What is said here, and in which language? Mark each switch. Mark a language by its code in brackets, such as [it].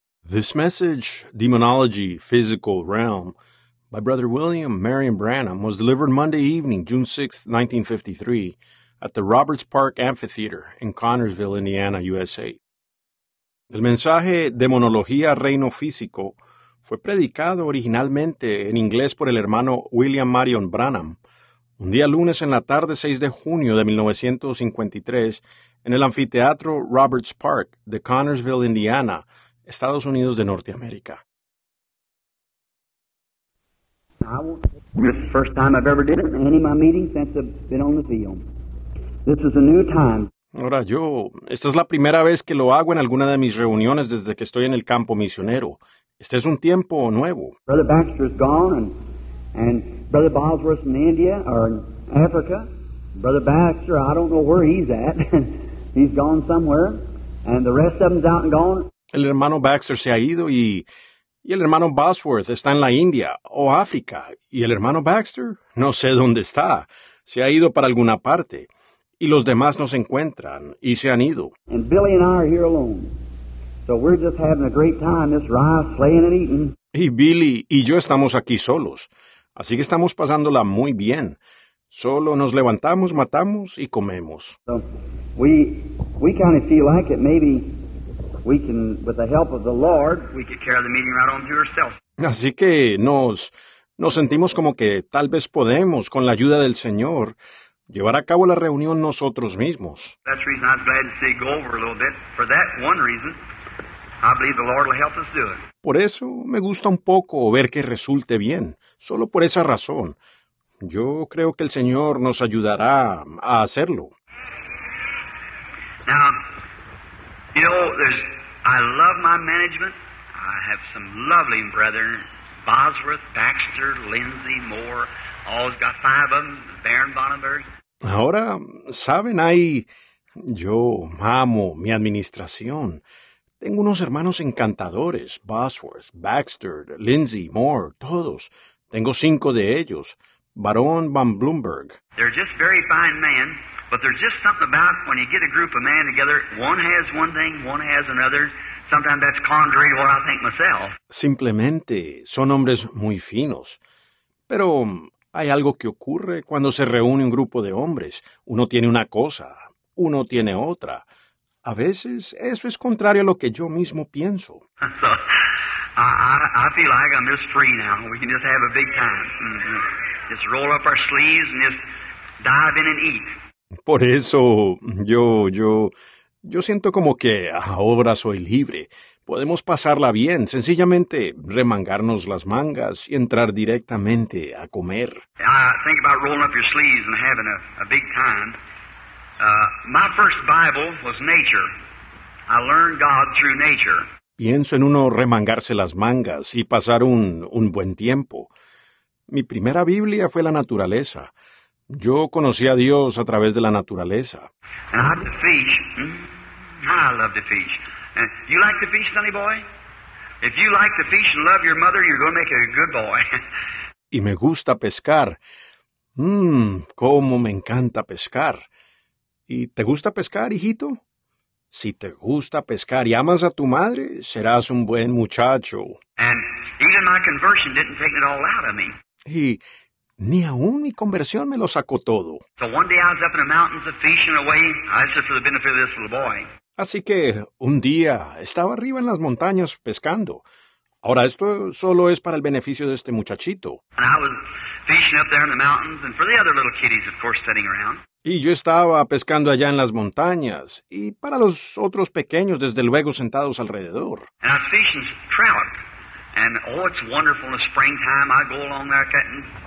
[en] This message, Demonology, Physical Realm, by Brother William Marion Branham, was delivered Monday evening, June 6, 1953, at the Roberts Park Amphitheater in Connersville, Indiana, USA. [es] El mensaje Demonología Reino Físico fue predicado originalmente en inglés por el hermano William Marion Branham, un día lunes en la tarde 6 de junio de 1953, en el anfiteatro Roberts Park de Connersville, Indiana, Estados Unidos de Norteamérica. [en] This is the first time I've ever did it in any of my meetings since I've been on the field. This is a new time. [es] Ahora yo, esta es la primera vez que lo hago en alguna de mis reuniones desde que estoy en el campo misionero. Este es un tiempo nuevo. [en] Brother Baxter is gone and Brother Bosworth in India or in Africa. Brother Baxter, I don't know where he's at. He's gone somewhere and the rest of them's out and gone. [es] El hermano Baxter se ha ido y el hermano Bosworth está en la India o África. Y el hermano Baxter, no sé dónde está, se ha ido para alguna parte. Y los demás no se encuentran y se han ido. [en] And Billy and I are here alone. So we're just having a great time, this rice, playing and eating. [es] Y Billy y yo estamos aquí solos. Así que estamos pasándola muy bien. Solo nos levantamos, matamos y comemos. [en] So we kind of feel like it maybe... We can, with the help of the Lord, we could carry the meeting right on to yourself. [es] Así que nos sentimos como que tal vez podemos, con la ayuda del Señor, llevar a cabo la reunión nosotros mismos. [en] That's the reason I'm glad to see go over a little bit. For that one reason, I believe the Lord will help us do it. [es] Por eso me gusta un poco ver que resulte bien. Solo por esa razón, yo creo que el Señor nos ayudará a hacerlo. [en] Now, you know, I love my management. I have some lovely brethren, Bosworth, Baxter, Lindsay, Moore, all's got five of them, Baron Bonnenberg. [es] Ahora, ¿saben? Ahí, yo amo mi administración. Tengo unos hermanos encantadores, Bosworth, Baxter, Lindsay, Moore, todos. Tengo cinco de ellos, Baron von Blumberg. [en] They're just very fine men. But there's just something about when you get a group of men together, one has one thing, one has another. Sometimes that's contrary to what I think myself. [es] Simplemente, son hombres muy finos. Pero hay algo que ocurre cuando se reúne un grupo de hombres. Uno tiene una cosa, uno tiene otra. A veces, eso es contrario a lo que yo mismo pienso. [en] So, I feel like I'm just free now. We can just have a big time. Just roll up our sleeves and just dive in and eat. [es] Por eso, yo siento como que ahora soy libre. Podemos pasarla bien, sencillamente remangarnos las mangas y entrar directamente a comer. [en] I think about rolling up your sleeves and having a big time. My first Bible was nature. I learned God through nature. [es] Pienso en uno remangarse las mangas y pasar un buen tiempo. Mi primera Biblia fue la naturaleza. Yo conocí a Dios a través de la naturaleza. [en] And I love to fish. I love to fish. You like to fish, sonny boy? If you like to fish and love your mother, you're going to make a good boy. [es] Y me gusta pescar. Cómo me encanta pescar. ¿Y te gusta pescar, hijito? Si te gusta pescar y amas a tu madre, serás un buen muchacho. [en] And even my conversion didn't take it all out of me. [es] Y ni aún mi conversión me lo sacó todo. [en] So one day I was up in the mountains of fishing away. I said for the benefit of this little boy. [es] Así que un día estaba arriba en las montañas pescando. Ahora esto solo es para el beneficio de este muchachito. [en] And I was fishing up there in the mountains and for the other little kiddies, of course, sitting around. [es] Y yo estaba pescando allá en las montañas y para los otros pequeños, desde luego, sentados alrededor. [en] And I was fishing trout. And oh, it's wonderful in the springtime. I go along there cutting.